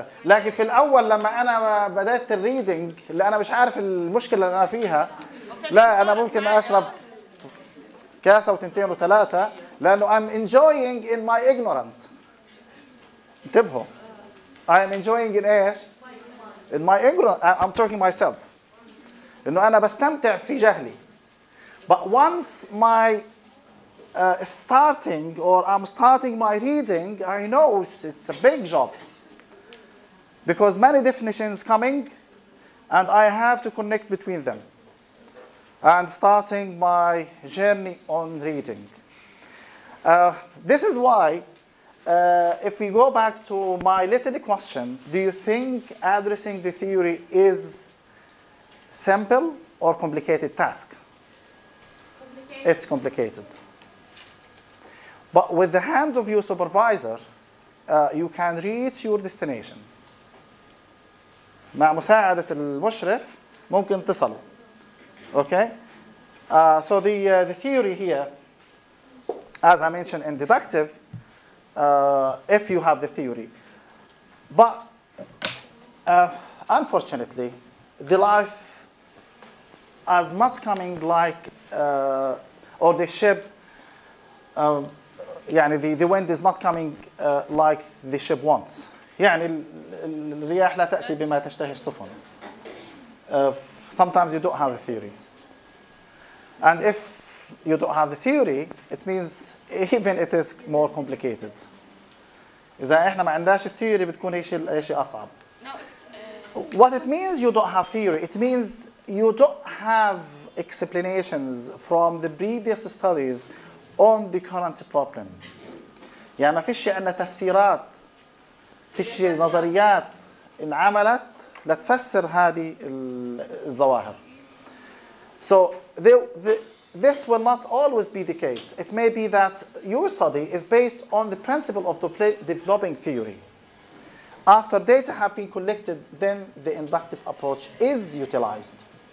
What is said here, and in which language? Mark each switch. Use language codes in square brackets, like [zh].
[ar] لكن في الأول لما أنا بدأت الريدنج اللي أنا مش عارف المشكلة اللي أنا فيها، لا أنا ممكن أشرب كاسة وتنتين وثلاثة لأنه I'm enjoying in my ignorant. انتبهوا. [en] I'm enjoying in إيش؟ In my ignorant. [ar] I'm talking myself. إنه أنا بستمتع في جهلي. [en] But once my starting or I'm starting my reading, I know it's a big job because many definitions coming and I have to connect between them and starting my journey on reading. This is why if we go back to my little question, do you think addressing the theory is simple or complicated task? Complicated. It's complicated. But with the hands of your supervisor, you can reach your destination. [ar] مع مساعدة المشرف ممكن تصلوا. [en] Okay? So the theory here, as I mentioned, in deductive, if you have the theory. But unfortunately, the life is not coming like, or the ship. يعني the wind is not coming like the ship wants. [ar] يعني الرياح لا تأتي بما تشتهي السفن. [en] Sometimes you don't have the theory. And if you don't have the theory, it means even it is more complicated. [ar] إذا إحنا ما عنداش theory بتكون إشي أصعب. [en] What it means you don't have theory, it means you don't have explanations from the previous studies on the current problem. [ar] يعني ما فيش عندنا تفسيرات فيش نظريات انعملت لتفسر هذه الظواهر. [en] So this will not always be the case. It may be that your study is based on the principle of developing theory. After data have been collected, then the inductive approach is utilized.